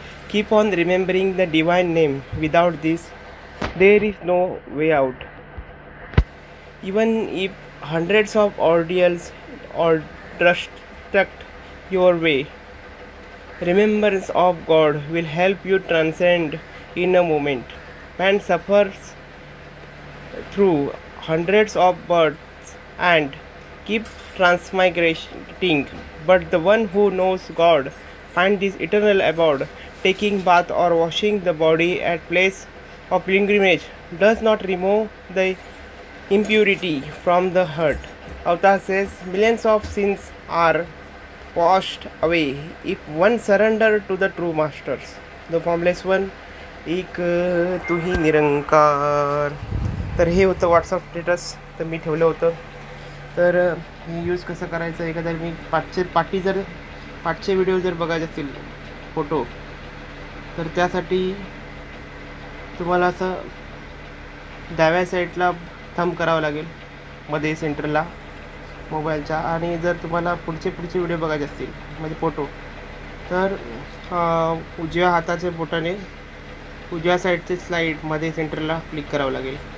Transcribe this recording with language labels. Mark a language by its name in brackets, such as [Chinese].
[English] Keep on remembering the divine name, without this there is no way out. Even if hundreds of ordeals or obstruct your way, remembrance of God will help you transcend in a moment. Man suffers through hundreds of births and keeps transmigrating, but the one who knows God finds his eternal abode. Taking bath or washing the body at place of pilgrimage does not remove the impurity from the heart. Avatar says, millions of sins are washed away if one surrender to the true masters. The formless one. [Hindi] एक तुही निरंकार। [Marathi] तर हे होतं WhatsApp status, तर मी ठेवलं होतं। तर हे यूज कसं करायचं, एखाद्या मी पाठचे व्हिडिओ जर बघायचे असतील फोटो, तर त्यासाठी तुम्हाला असं डाव्या साईडला थंब करावं लागेल मध्ये सेंटरला मोबाईलच्या, आणि जर तुम्हाला पुढचे व्हिडिओ बघायचे असतील म्हणजे फोटो, तर उजव्या हाताच्या बोटाने उजव्या साईडचे स्लाईड मध्ये सेंटरला क्लिक करावं लागेल।